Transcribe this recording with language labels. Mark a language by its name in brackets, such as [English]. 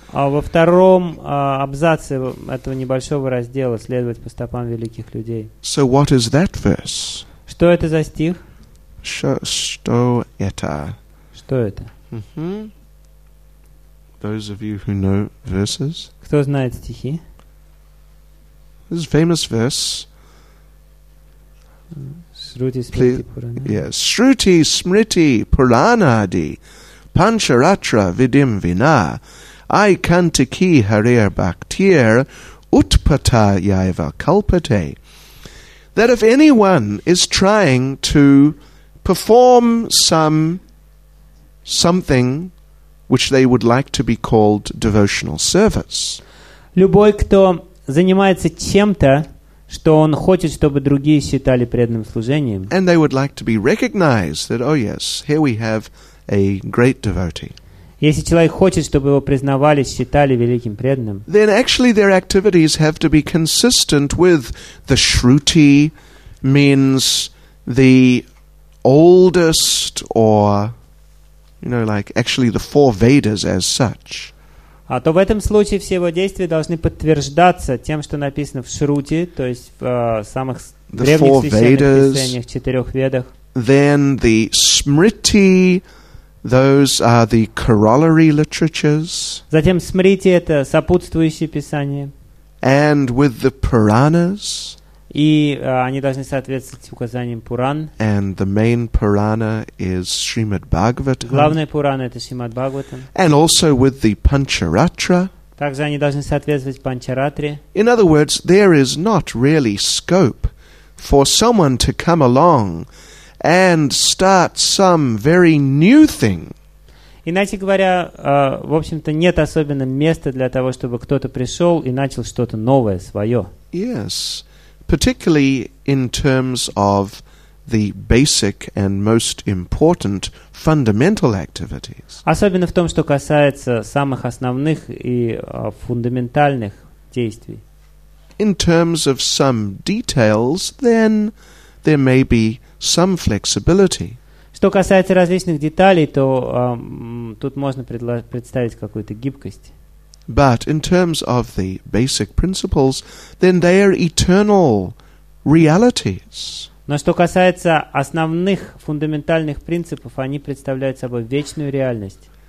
[Russian] Во втором абзаце этого небольшого раздела следовать по стопам великих людей. [English] So what is that verse? [Russian] Что это за стих? Что это? Что это? [English] Those of you who know verses. [Russian] Кто знает стихи? [English] This is a famous verse. [Sanskrit] Shruti Smriti Purana. [English] Yes. [Sanskrit] Shruti Smriti Puranadi Pancharatra Vidim Vina I Kantiki Harir Bhaktir Utpata Yaiva Kalpate. [English] That if anyone is trying to perform something which they would like to be called devotional service. [Russian] Любой, кто занимается чем-то, что он хочет, чтобы другие считали преданным служением. [English] And they would like to be recognized that, oh yes, here we have a great devotee. [Russian] Если человек хочет, чтобы его признавали, считали великим преданным. [English] Then actually their activities have to be consistent with the Shruti means the oldest or, you know, like actually the four Vedas as such. [Russian] А то в этом случае все его действия должны подтверждаться тем, что написано в Шрути, то есть в самых [English] the [Russian] древних [English] four [Russian] священных [English] Vedas, [Russian] писаниях, четырех ведах. [English] Then the Smriti, those are the corollary literatures. [Russian] Затем Смрити – это сопутствующие писания. [English] And with the Puranas. [Russian] И они должны соответствовать указаниям Пуран. [English] And the main Purana is Srimad Bhagavatam. [Russian] Главная Пурана – это Srimad Bhagavatam. [English] And also with the Pancharatra. [Russian] Также они должны соответствовать Пancharatre. [English] In other words, there is not really scope for someone to come along and start some very new thing. [Russian] Иначе говоря, в общем-то, нет особенно места для того, чтобы кто-то пришел и начал что-то новое, свое. [English] Yes. Particularly in terms of the basic and most important fundamental activities. [Russian] Особенно в том, что касается самых основных и фундаментальных действий. In terms of some details, then there may be some flexibility. Что касается различных деталей, то тут можно представить какую-то гибкость. But in terms of the basic principles, then they are eternal realities. Но что касается основных фундаментальных принципов, они представляют собой вечную реальность.